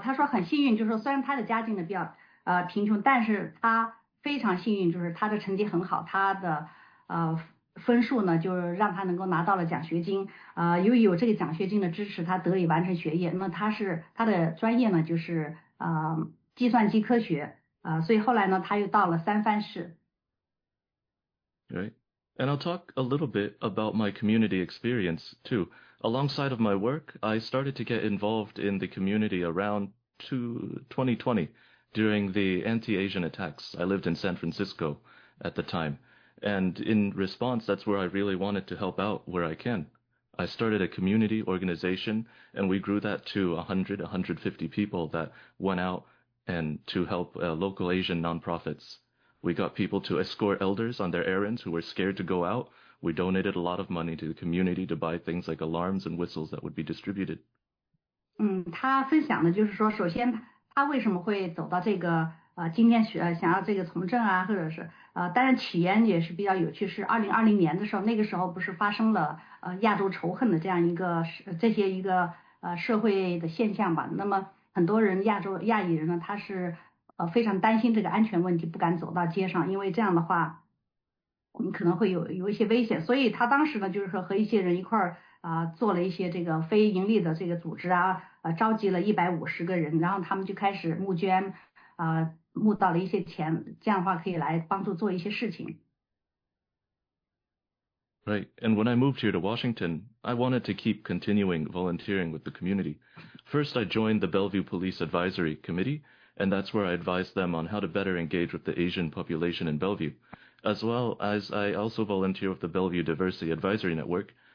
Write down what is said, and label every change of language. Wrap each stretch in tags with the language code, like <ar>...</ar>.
<zh>他说很幸运，就是说虽然他的家境呢比较贫穷，但是他非常幸运，就是他的成绩很好，他的分数呢就让他能够拿到了奖学金。由于有这个奖学金的支持，他得以完成学业。那他的专业呢就是计算机科学，所以后来呢他又到了三藩市。</zh> <en>Right, and I'll talk a little bit about my community experience too. Alongside of my work, I started to get involved in the community around 2020. During the anti-Asian attacks, I lived in San Francisco at the time. And in response, that's where I really wanted to help out where I can. I started a community organization, and we grew that to 100, 150 people that went out and to help local Asian nonprofits. We got people to escort elders on their errands who were scared to go out. We donated a lot of money to the community to buy things like alarms and whistles that would be distributed.</en> <zh>他分享的就是说，首先他为什么会走到这个今天想要这个从政啊，或者是当然起源也是比较有趣，是2020年的时候，那个时候不是发生了亚洲仇恨的这样一个这些一个社会的现象吧。那么很多人亚裔人呢，他是非常担心这个安全问题，不敢走到街上，因为这样的话你可能会有一些危险。所以他当时呢就是说和一些人一块儿做了一些这个非盈利的这个组织啊，召集了150个人，然后他们就开始募捐，募到了一些钱，这样的话可以来帮助做一些事情。</zh> <en>Right, and when I moved here to Washington, I wanted to keep continuing volunteering with the community. First, I joined the Bellevue Police Advisory Committee, And that's where I advised them on how to better engage with the Asian population in Bellevue, as well as I also volunteer with the Bellevue Diversity Advisory Network.</en>